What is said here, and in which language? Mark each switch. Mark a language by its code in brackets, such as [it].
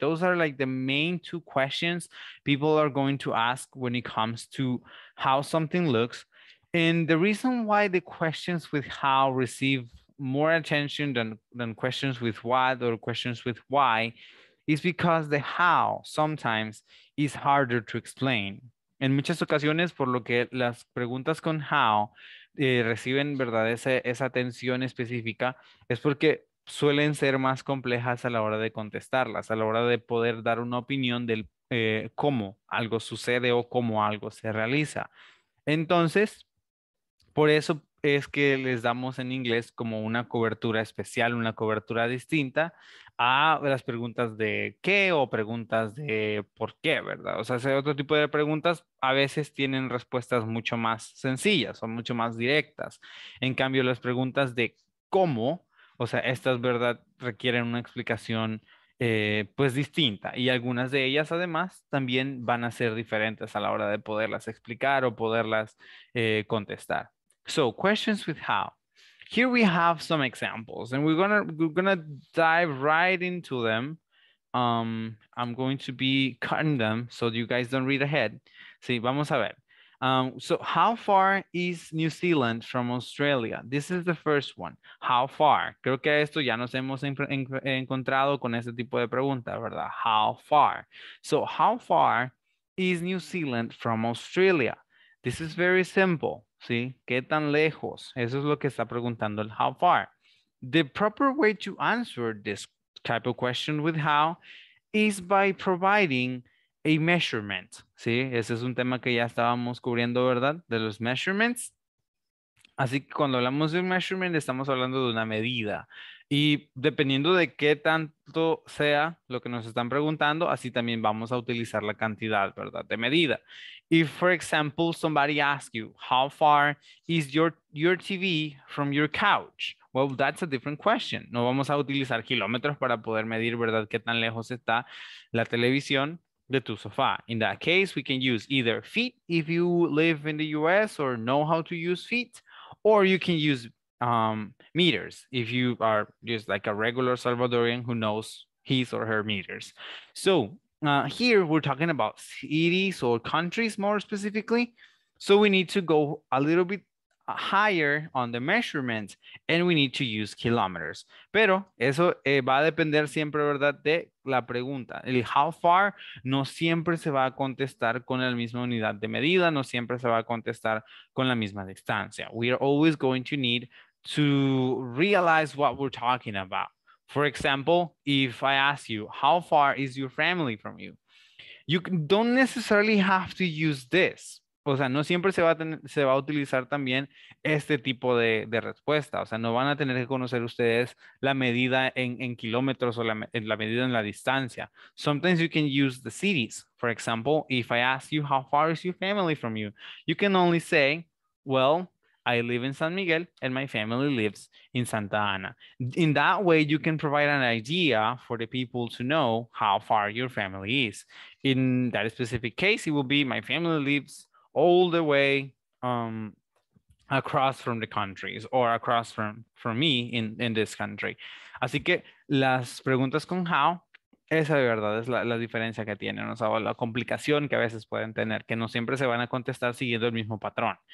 [en] Those are like the main two questions people are going to ask when it comes to how something looks. And the reason why the questions with how receive more attention than questions with what or questions with why is because the how sometimes is harder to explain. [es] En muchas ocasiones, por lo que las preguntas con how reciben, ¿verdad?, esa atención específica, es porque suelen ser más complejas a la hora de contestarlas, a la hora de poder dar una opinión del cómo algo sucede o cómo algo se realiza. Entonces, por eso es que les damos en inglés como una cobertura especial, una cobertura distinta a las preguntas de qué o preguntas de por qué, ¿verdad? O sea, ese otro tipo de preguntas a veces tienen respuestas mucho más sencillas o mucho más directas. En cambio, las preguntas de cómo, o sea, estas, ¿verdad?, requieren una explicación pues distinta. Y algunas de ellas, además, también van a ser diferentes a la hora de poderlas explicar o poderlas contestar. [en] So, questions with how. Here we have some examples, and we're gonna dive right into them. I'm going to be cutting them so you guys don't read ahead. [es] Sí, vamos a ver. [en] So, how far is New Zealand from Australia? This is the first one. How far? [es] Creo que esto ya nos hemos encontrado con este tipo de pregunta, ¿verdad? [en] How far? So, how far is New Zealand from Australia? This is very simple. [es] ¿Sí? ¿Qué tan lejos? Eso es lo que está preguntando el how far. [en] The proper way to answer this type of question with how is by providing a measurement. [es] ¿Sí? Ese es un tema que ya estábamos cubriendo, ¿verdad? De los measurements. Así que cuando hablamos de un measurement, estamos hablando de una medida. Y dependiendo de qué tanto sea lo que nos están preguntando, así también vamos a utilizar la cantidad, ¿verdad?, de medida. [en] If, for example, somebody asks you, how far is your TV from your couch? Well, that's a different question. [es] No vamos a utilizar kilómetros para poder medir, ¿verdad?, qué tan lejos está la televisión de tu sofá. [en] In that case, we can use either feet, if you live in the US or know how to use feet, or you can use meters, if you are just like a regular Salvadorian who knows his or her meters. So here we're talking about cities or countries more specifically. So we need to go a little bit higher on the measurement and we need to use kilometers. [es] Pero eso va a depender siempre, ¿verdad?, de la pregunta. El how far no siempre se va a contestar con la misma unidad de medida, no siempre se va a contestar con la misma distancia. [en] We are always going to need to realize what we're talking about. For example, if I ask you, how far is your family from you? You don't necessarily have to use this. [es] O sea, no siempre se va a utilizar también este tipo de respuesta. O sea, no van a tener que conocer ustedes la medida en kilómetros o la medida en la distancia. [en] Sometimes you can use the cities. For example, if I ask you, how far is your family from you? You can only say, well, I live in San Miguel and my family lives in Santa Ana. In that way, you can provide an idea for the people to know how far your family is. In that specific case, it will be my family lives all the way across from the countries or across from me in this country. [es] Así que las preguntas con how, esa de verdad es la diferencia que tienen, o sea, la complicación que a veces pueden tener, que no siempre se van a contestar siguiendo el mismo patrón.